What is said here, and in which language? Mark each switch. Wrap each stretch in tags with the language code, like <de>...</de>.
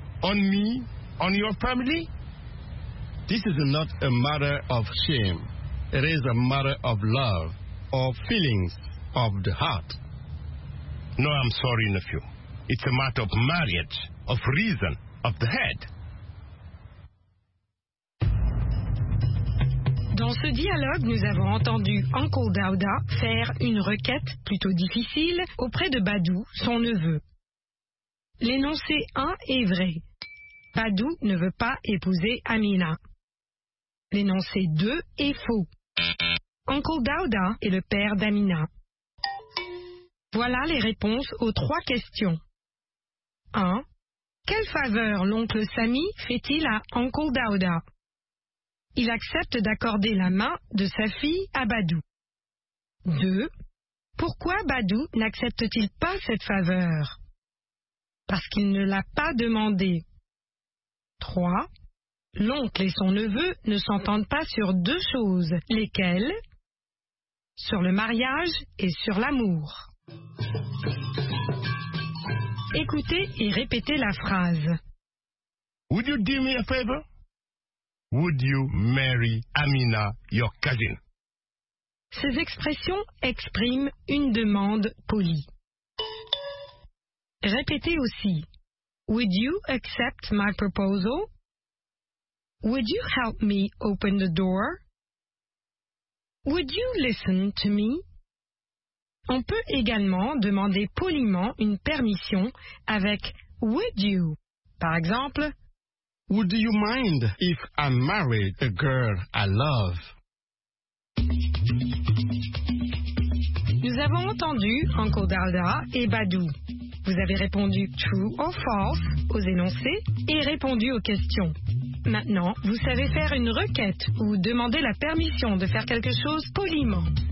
<en>on me, on your family? This is not a matter of shame. It is a matter of love, of feelings, of the heart. No, I'm sorry, nephew. It's a matter of marriage, of reason, of the head.</en> <fr>Dans ce dialogue, nous avons entendu Uncle Dauda faire une requête plutôt difficile auprès de Badou, son neveu. L'énoncé 1 est vrai. Badou ne veut pas épouser Amina. L'énoncé 2 est faux. Uncle Dauda est le père d'Amina. Voilà les réponses aux trois questions. 1. Quelle faveur l'oncle Sami fait-il à Uncle Dauda? Il accepte d'accorder la main de sa fille à Badou. 2. Pourquoi Badou n'accepte-t-il pas cette faveur? Parce qu'il ne l'a pas demandé. 3. L'oncle et son neveu ne s'entendent pas sur deux choses. Lesquelles? Sur le mariage et sur l'amour. Écoutez et répétez la phrase.</fr> <en>Would you do me a favor? Would you marry Amina, your cousin?</en> <fr>Ces expressions expriment une demande polie. Répétez aussi.</fr> <en>Would you accept my proposal? Would you help me open the door? Would you listen to me?</en> <fr>On peut également demander poliment une permission avec</fr> <en>would you.</en> <fr>Par exemple,</fr> <en>would you mind if I married a girl I love?</en> <fr>Nous avons entendu Uncle Dauda et Badou. Vous avez répondu</fr> <en>true or false</en> <fr>aux énoncés et répondu aux questions. Maintenant, vous savez faire une requête ou demander la permission de faire quelque chose poliment.</fr>